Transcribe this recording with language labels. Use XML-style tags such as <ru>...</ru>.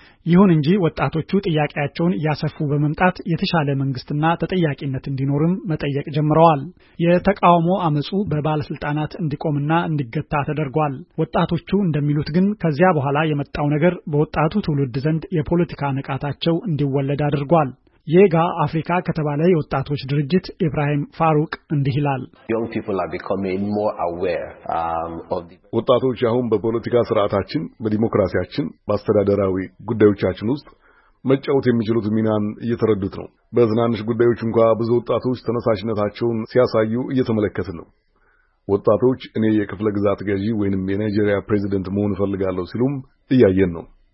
<am>ይሁን እንጂ ወጣቶቹ ጥያቄያቸውን ያሰፉ በመምጣት የተሻለ መንግስትና ተጠያቂነት እንዲኖርም መጠየቅ ጀምረዋል። የተቃውሞ አመጹ በባለስልጣናት እንዲቆምና እንዲገታ ተደርጓል። ወጣቶቹ እንደሚሉት ግን ከዚያ በኋላ የመጣው ነገር በወጣቱ ትውልድ ዘንድ የፖለቲካ ንቃታቸው እንዲወለድ አድርጓል። የጋ አፍሪካ ከተባለ የወጣቶች ድርጅት ኢብራሂም ፋሩክ እንዲህ ይላል።</am> <en>Young people are becoming more aware of the</en> <am>ወጣቶች አሁን በፖለቲካ ስርዓታችን፣ በዲሞክራሲያችን፣ በአስተዳደራዊ ጉዳዮቻችን ውስጥ መጫወት የሚችሉት ሚናን እየተረዱት ነው። በዝናንሽ ጉዳዮች እንኳን ብዙ ወጣቶች ተነሳሽነታቸውን ሲያሳዩ እየተመለከትን ነው። ወጣቶች እኔ የክፍለ ግዛት ገዢ ወይንም የናይጄሪያ ፕሬዝዳንት መሆን ፈልጋለሁ ሲሉም እያየን ነው።</am>